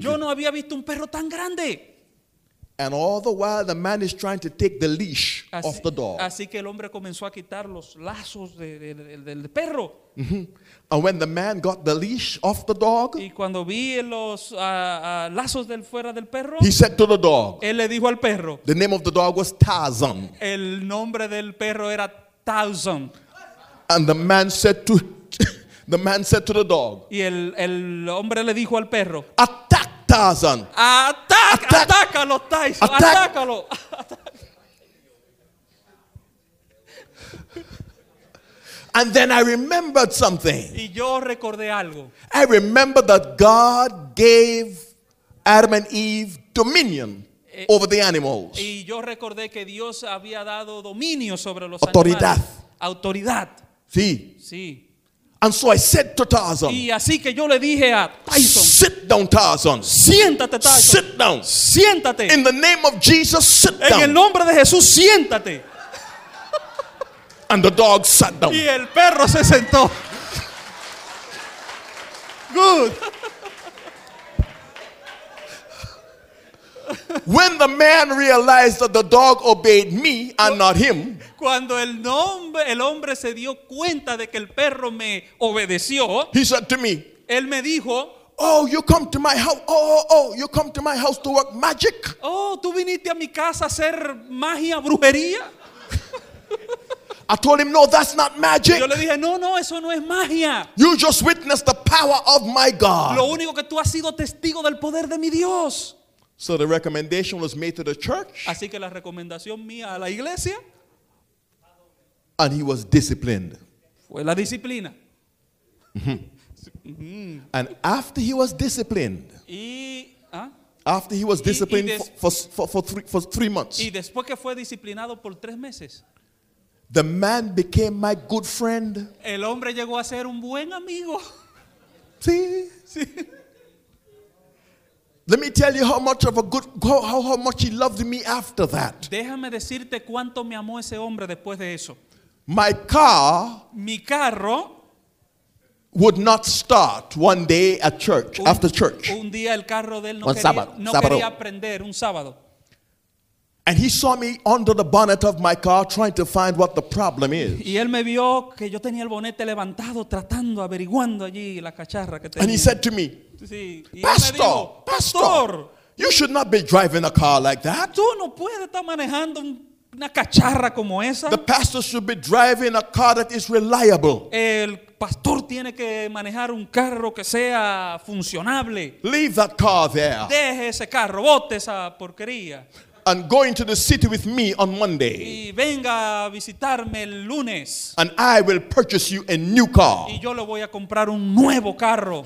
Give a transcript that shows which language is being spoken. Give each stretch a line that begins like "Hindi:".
Spanish: Yo no había visto un perro tan grande.
English: And all the while, the man is trying to take the leash off the dog.
Spanish: Así que el hombre comenzó a quitar los lazos del perro.
English: And when the man got the leash off the dog,
Spanish: y cuando vi los lazos del fuera del perro,
English: he said to the dog,
Spanish: él le dijo al perro,
English: the name of the dog was Tarzan.
Spanish: El nombre del perro era Tarzan.
English: And the man said to the man said to the dog,
Spanish: y el hombre le dijo al perro,
English: attack Tarzan.
Spanish: Atácalo, Tyson. Atácalo.
English: And then I remembered something.
Spanish: Y yo recordé algo.
English: I remember that God gave Adam and Eve dominion over the animals.
Spanish: Y yo recordé que Dios había dado dominio sobre los autoridad. Animales. Autoridad. Autoridad. Sí. Sí.
English: And so I said to Tarzan,
Spanish: y así que yo le dije a Tyson,
English: sit down, Tarzan.
Spanish: Siéntate, Tarzan.
English: Sit down.
Spanish: Siéntate.
English: In the name of Jesus, sit down.
Spanish: En el nombre de Jesús, siéntate.
English: And the dog sat down.
Spanish: Y el perro se sentó.
English: Good. When the man realized that the dog obeyed me and not him,
Spanish: cuando el hombre se dio cuenta de que el perro me obedeció,
English: he said to me,
Spanish: él me dijo,
English: oh, you come to my house. Oh, you come to my house to work magic.
Spanish: Oh, tú viniste a mi casa a hacer magia, brujería.
English: I told him, no, that's not magic.
Spanish: Yo le dije, no, no, eso no es magia.
English: You just witnessed the power of my God.
Spanish: Lo único que tú has sido testigo del poder de mi Dios.
English: So the recommendation was made to the church.
Spanish: Así que la recomendación mía a la iglesia.
English: And he was disciplined.
Spanish: Fue la disciplina.
English: And after he was disciplined.
Spanish: Y,
English: after he was disciplined for three months.
Spanish: Y después que fue disciplinado por tres meses.
English: The man became my good friend.
Spanish: El hombre llegó a ser un buen amigo. Sí. Sí.
English: Let me tell you how much of a good how much he loved me after that.
Spanish: Déjame decirte cuánto me amó ese hombre después de eso.
English: My car,
Spanish: mi carro,
English: would not start one day at church after church.
Spanish: Un día el carro de él no quería prender un sábado.
English: And he saw me under the bonnet of my car trying to find what the problem is.
Spanish: Y él me vio que yo tenía el bonete levantado tratando averiguando allí la cacharra que tenía.
English: And he said to me, Pastor, Pastor, you should not be driving a car like that.
Spanish: Tú no puedes estar manejando una cacharra como esa.
English: The pastor should be driving a car that is reliable.
Spanish: El pastor tiene que manejar un carro que sea funcionable.
English: Leave that car there.
Spanish: Deje ese carro, bote esa porquería.
English: And go into the city with me on Monday.
Spanish: Y venga a visitarme el lunes.
English: And I will purchase you a new car.
Spanish: Y yo le voy a comprar un nuevo carro.